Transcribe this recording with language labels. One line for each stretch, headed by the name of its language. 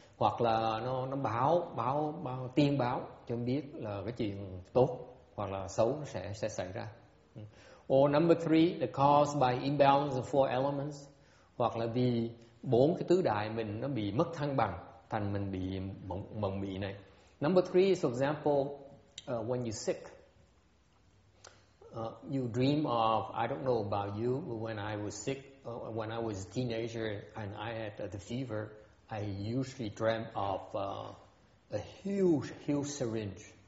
Vietnamese: Hoặc là nó báo tiên báo cho mình biết là cái chuyện tốt hoặc là xấu nó sẽ xảy ra.
English: Or number three, the cause by imbalance of four elements.
Vietnamese: Hoặc là vì bốn cái tứ đại mình nó bị mất thăng bằng thành mình bị mộng mị này.
English: Number three is, for example, when you're sick. You dream of, I don't know about you, but when I was sick, when I was a teenager and I had the fever, I usually dreamt of a huge syringe.